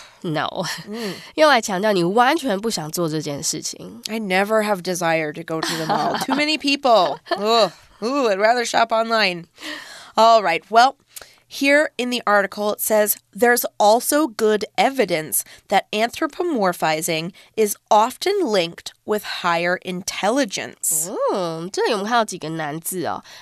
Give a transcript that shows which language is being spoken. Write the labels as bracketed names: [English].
[Chinese] No, 用来强调你完全不想做这件事情。 [English] I never have desire to go to the mall. Too many people. I'd rather shop online. All right, well, here in the article it says, there's also good evidence that anthropomorphizing is often linked with higher intelligence. [Chinese] 这里我们看到几个难字哦。